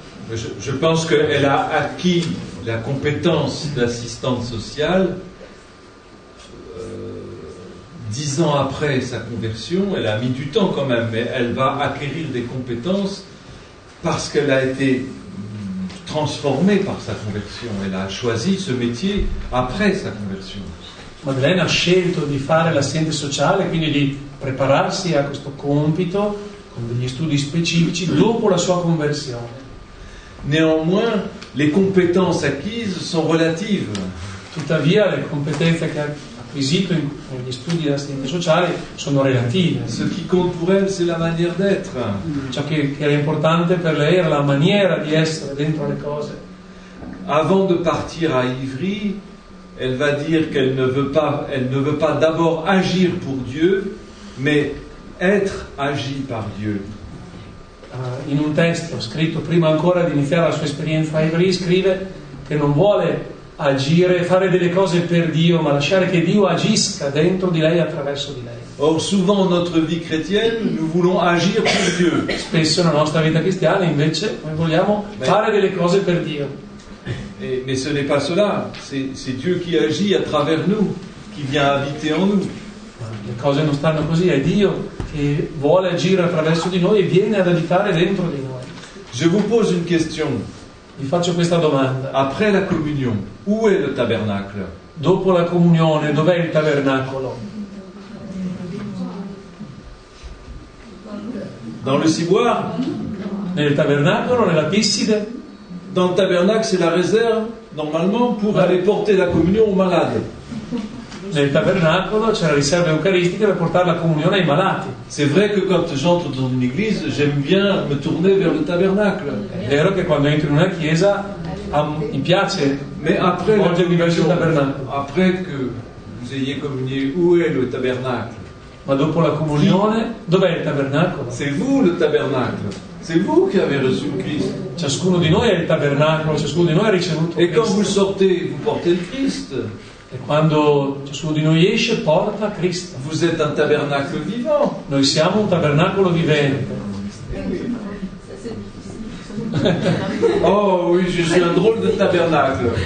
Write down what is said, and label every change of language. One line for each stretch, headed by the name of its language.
French: Je pense qu'elle a acquis la compétence d'assistante sociale 10 ans après sa conversion. Elle a mis du temps quand même, mais elle va acquérir des compétences parce qu'elle a été transformée par sa conversion. Elle a choisi ce métier après sa conversion.
Italian: Madeleine a scelto di fare l'assistente sociale, quindi di prepararsi a questo compito con degli studi specifici dopo la sua conversione.
French: Néanmoins, les compétences acquises sont relatives.
Italian: Tuttavia, le competenze che ha acquisito con gli studi dell'assistente sociale sono relative.
French: Ce qui compte pour elle, c'est la manière d'être.
Italian: Ciò che era importante per lei era la maniera di essere dentro le cose.
French: Avant de partir à Ivry, elle va dire qu'elle ne veut pas d'abord agir pour Dieu, mais être agi par Dieu.
Italian: In un testo scritto prima ancora di iniziare la sua esperienza a Ivry, scrive che non vuole agire, fare delle cose per Dio, ma lasciare che Dio agisca dentro di lei, attraverso di lei.
French: Or, souvent notre vie chrétienne, nous voulons agir pour Dieu.
Italian: Spesso nella nostra vita cristiana, invece, noi vogliamo fare delle cose per Dio.
French: Mais ce n'est pas cela, c'est Dieu qui agit à travers nous, qui vient habiter en nous.
Italian: le cose non stanno così, è Dio che vuole agire attraverso di noi e viene ad abitare dentro di noi.
French: Je vous pose une question.
Italian: Vi faccio questa domanda.
French: Après la communion, où est le tabernacle?
Italian: Dopo la comunione, dov'è il tabernacolo?
French: Dans le ciboire?
Italian: Nel tabernacolo, nella pisside?
French: Dans le tabernacle, c'est la réserve, normalement, pour aller porter la communion aux malades.
Italian: Nel tabernacolo c'è la riserva eucaristica per portare la comunione ai malati.
French: C'est vrai que quand j'entre dans une église, j'aime bien me tourner vers le tabernacle.
Italian: È vero che quando entro in una chiesa mi piace.
French: Mais après
Italian: il tabernacolo.
French: Après que vous ayez communié, où est le tabernacle?
Italian: Ma dopo la comunione, dov'è il tabernacolo?
French: C'est vous le tabernacle. C'est vous qui avez reçu Christ.
Italian: Ciascuno di noi è il tabernacolo, ciascuno di noi ha ricevuto Cristo.
French: Et quand vous sortez, vous portez le Christ.
Italian: E quando ciascuno di noi esce, porta Cristo.
French: Vous êtes un tabernacle vivant.
Italian: Noi siamo un tabernacolo vivente.
French: Oh, oui, je suis un drôle de tabernacle.